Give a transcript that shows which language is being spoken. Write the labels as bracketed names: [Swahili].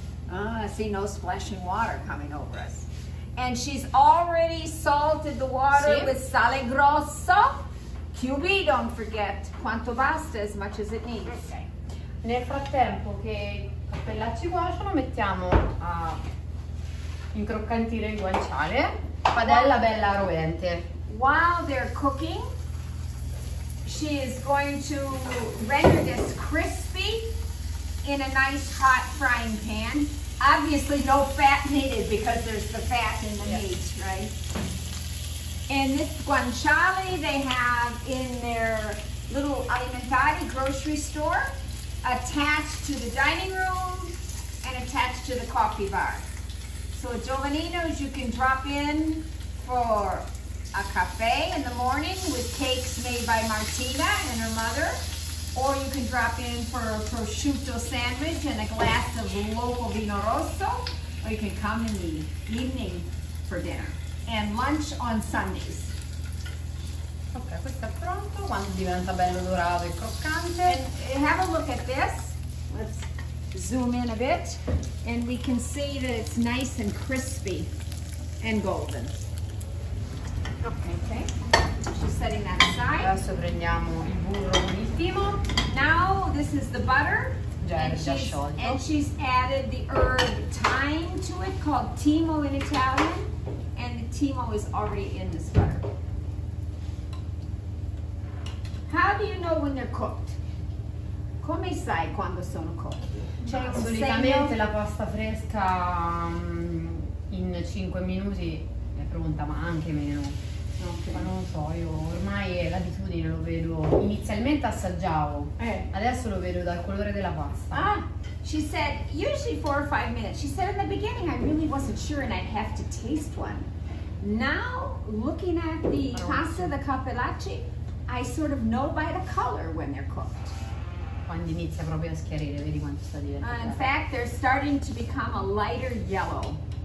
[English] Ah, I see no splashing water coming over us. And she's already salted the water [Italian] sì. [English] With sale grosso. QB, don't forget, quanto basta, as much as it needs. Okay. [Italian] Nel frattempo che I cappellacci cuociono, mettiamo a incroccantire il guanciale. Padella bella rovente. [English] While they're cooking, she is going to render this crispy in a nice hot frying pan. Obviously no fat needed because there's the fat in the yes. meat, right? And this guanciale they have in their little alimentari grocery store, attached to the dining room and attached to the coffee bar. So at Giovannino's you can drop in for a cafe in the morning with cakes made by Martina and her mother. Or you can drop in for a prosciutto sandwich and a glass of local vino rosso. Or you can come in the evening for dinner. And lunch on Sundays. [Italian] Ok, questo è pronto. Quando diventa bello dorato e croccante. [English] And have a look at this. Let's zoom in a bit. And we can see that it's nice and crispy and golden. Okay. Setting that aside. [Italian] Adesso prendiamo il burro ultimo. [English] Now this is the butter. [Italian] Già, [English] and, [Italian] già sciolto. [English] And she's added the herb thyme to it, called timo in Italian. And the timo is already in this butter. How do you know when they're cooked? [Italian] Come sai quando sono cotti? Cioè, solitamente la pasta fresca in 5 minuti è pronta, ma anche meno. [English] Okay. [Italian] Ma non lo so, io ormai l'abitudine lo vedo. Inizialmente assaggiavo, adesso lo vedo dal colore della pasta. [English] Ah, she said usually 4 or 5 minutes. She said in the beginning I really wasn't sure and I'd have to taste one. Now, looking at the pasta, the cappellacci, I sort of know by the color when they're cooked. [Italian] Quando inizia proprio a schiarire, vedi quanto sta diventando. [English] In fact, they're starting to become a lighter yellow.